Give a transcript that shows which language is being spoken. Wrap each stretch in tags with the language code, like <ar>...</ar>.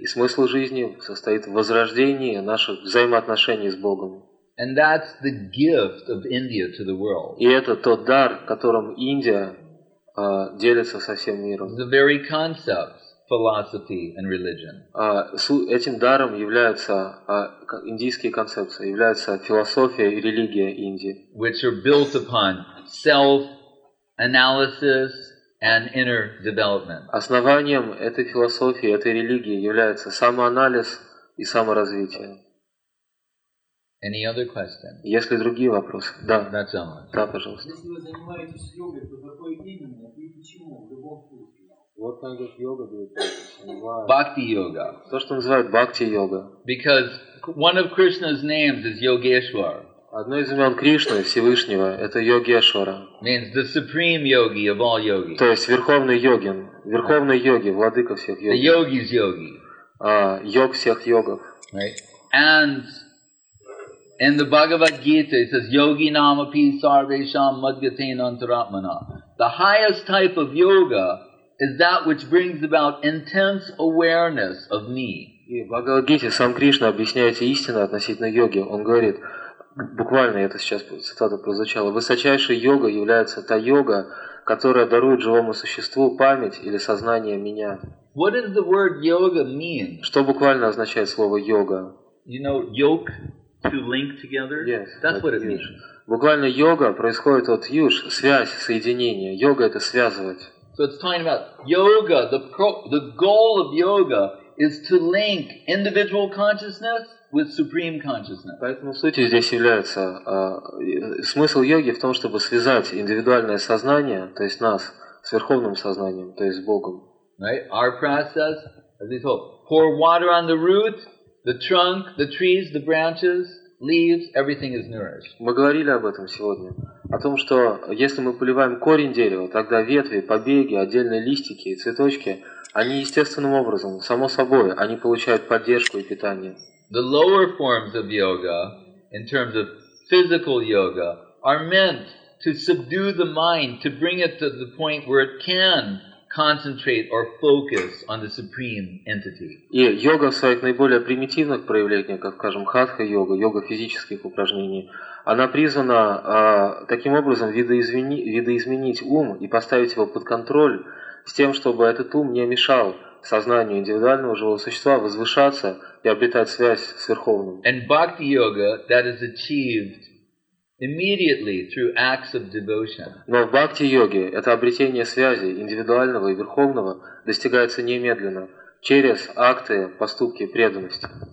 <ru>И смысл жизни состоит в возрождении наших взаимоотношений с Богом.</ru> <en>And that's the gift of India to the world.</en> <ru>И это тот дар, которым Индия делится со всем миром.</ru> <en>The very concept. Philosophy and religion.</en> <ru>Этим даром являются индийские концепции, являются философия и религия Индии.</ru> <en>Which are built upon self-analysis and inner development.</en> <ru>Основанием этой философии, этой религии является самоанализ и саморазвитие.</ru> <en>Any other questions?</en> <ru>Есть ли другие вопросы? Да.</ru> <en>That's all.</en> <ru>Да, пожалуйста. Если вы занимаетесь йогой, то какой именно и почему в любом случае?</ru> <en>What kind of yoga do you do? Bhakti yoga.</en> <ru>То, что называют Бхакти йога.</ru> <en>Because one of Krishna's names is Yogeshwar.</en> <ru>Одно из имен Кришны, Всевышнего, это Йогешвара.</ru> <en>Means the supreme yogi of all yogis.</en> <ru>То есть верховный йогин, верховный йоги, владыка всех йоги.</ru> <en>The yogi's yogi.</en> <ru>Йог всех йогов.</ru> <en>Right. And in the Bhagavad Gita it says</en> <sa>yogi namapi sarvesham madgatena antaratmana.</sa> <en>The highest type of yoga is that which brings about intense awareness of me.</en> <ru>И в Бхагавад-гите сам Кришна объясняет истину относительно йоги. Он говорит, буквально это сейчас цитата прозвучала, высочайшая йога является та йога, которая дарует живому существу память или сознание меня.</ru> <en>What does the word yoga mean?</en> <ru>Что буквально означает слово йога?</ru> <en>You know, yoke, to link together? Yes, that's what it means.</en> <ru>Буквально йога происходит от юж, связь, соединение. Йога — это связывать.</ru> <en>So it's talking about yoga. The goal of yoga is to link individual consciousness with supreme consciousness.</en> <ru>Поэтому суть здесь является смысл йоги в том, чтобы связать индивидуальное сознание, то есть нас, с верховным сознанием, то есть с Богом.</ru> <en>Right? Our process, as we told, pour water on the root, the trunk, the trees, the branches. Leaves, everything is nourished.</en> <ru>Мы говорили об этом сегодня, о том, что если мы поливаем корень дерева, тогда ветви, побеги, отдельные листики и цветочки, они естественным образом, само собой, они получают поддержку и питание.</ru> <en>the lower forms of yoga, in terms of physical yoga, are meant to subdue the mind, to bring it to the point where it can concentrate or focus on the supreme entity.</en> <ru>И йога в своих наиболее примитивных проявлениях, как, скажем, хатха-йога, йога физических упражнений, она призвана таким образом видоизменить ум и поставить его под контроль с тем, чтобы этот ум не мешал сознанию индивидуального живого существа возвышаться и обретать связь с Верховным.</ru> <en>And bhakti-yoga, that is achieved immediately through acts of devotion.</en> <ru>Но в бхакти-йоге это обретение связи индивидуального и верховного достигается немедленно через акты, поступки преданности.</ru>